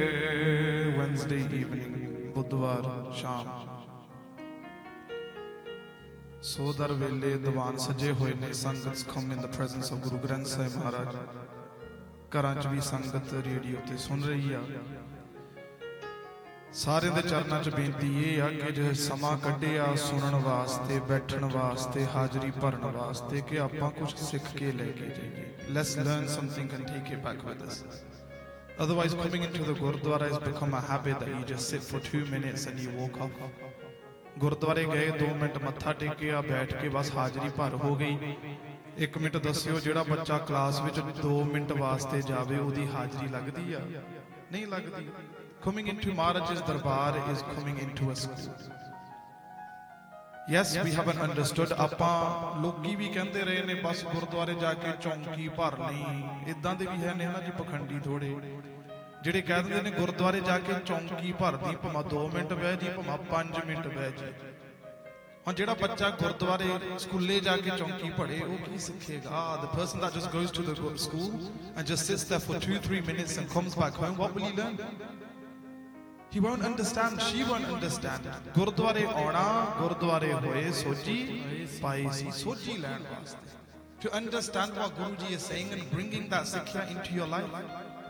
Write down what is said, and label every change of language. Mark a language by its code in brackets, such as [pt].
[en] Wednesday evening [pa] बुधवार शाम सोदर वेले दवान सजे हुए ने संगत [en] come in the presence of [pa] Guru Granth Sahib महाराज ਘਰਾਂ 'ਚ ਵੀ ਸੰਗਤ ਰੇਡੀਓ 'ਤੇ ਸੁਣ ਰਹੀ ਆ। ਸਾਰਿਆਂ ਦੇ ਚਰਨਾਂ 'ਚ ਬੇਨਤੀ ਇਹ ਆ ਕਿ ਜੇ ਸਮਾਂ ਕੱਢਿਆ ਸੁਣਨ ਵਾਸਤੇ, ਬੈਠਣ ਵਾਸਤੇ, ਹਾਜ਼ਰੀ ਭਰਨ ਵਾਸਤੇ ਕਿ ਆਪਾਂ ਕੁਛ ਸਿੱਖ ਕੇ ਲੈ ਕੇ ਜਾਈਏ। [en] Let's learn something and take it back with us. Otherwise coming in to the gurdwara is become a habit that you just sit for 2 minutes and you walk out. [pa] ਗੁਰਦੁਆਰੇ ਗਏ, 2 ਮਿੰਟ ਮੱਥਾ ਟੇਕਿਆ, ਬੈਠ ਕੇ ਬਸ ਹਾਜ਼ਰੀ ਭਰ ਹੋ ਗਈ। ਇੱਕ ਮਿੰਟ ਦੱਸਿਓ, ਜਿਹੜਾ ਬੱਚਾ ਕਲਾਸ ਵਿੱਚ 2 ਮਿੰਟ ਵਾਸਤੇ ਜਾਵੇ ਉਹਦੀ ਹਾਜ਼ਰੀ ਲੱਗਦੀ ਆ ਨਹੀਂ ਲੱਗਦੀ? [en] Coming in to Maharaj Darbar is coming in to a school. Yes we have an understood. [pa] ਆਪਾਂ ਲੋਕੀ ਵੀ ਕਹਿੰਦੇ ਰਹੇ ਨੇ ਬਸ ਗੁਰਦੁਆਰੇ ਜਾ ਕੇ ਚੌਂਕੀ ਭਰ ਲਈ, ਇੱਦਾਂ ਦੇ ਵੀ ਹੈ ਨੇ ਹਨਾ ਜੀ, ਪਖੰਡੀ ਥੋੜ੍ਹੇ ਜਿਹੜੇ ਕਹਿ ਦਿੰਦੇ ਨੇ ਗੁਰਦੁਆਰੇ ਜਾ ਕੇ ਚੌਂਕੀ ਭਰ ਦੀ, ਭਾਵੇਂ 2 ਮਿੰਟ ਬਹਿ ਜੀ, ਭਾਵੇਂ 5 ਮਿੰਟ ਬਹਿ ਜੀ। ਹੁਣ ਜਿਹੜਾ ਬੱਚਾ ਗੁਰਦੁਆਰੇ ਸਕੂਲੇ ਜਾ ਕੇ ਚੌਂਕੀ ਭੜੇ ਉਹ ਕੀ ਸਿੱਖੇਗਾ? [en] The person that just goes to the school and just sits there for 2-3 minutes and comes back home, what will he learn? He won't understand, she won't understand. [pa] ਗੁਰਦੁਆਰੇ ਆਉਣਾ, ਗੁਰਦੁਆਰੇ ਹੋਏ ਸੋਝੀ ਪਾਈ ਸੀ, ਸੋਝੀ ਲੈਣ ਵਾਸਤੇ, [en] to understand what guru ji is saying and bringing that sikha into your life.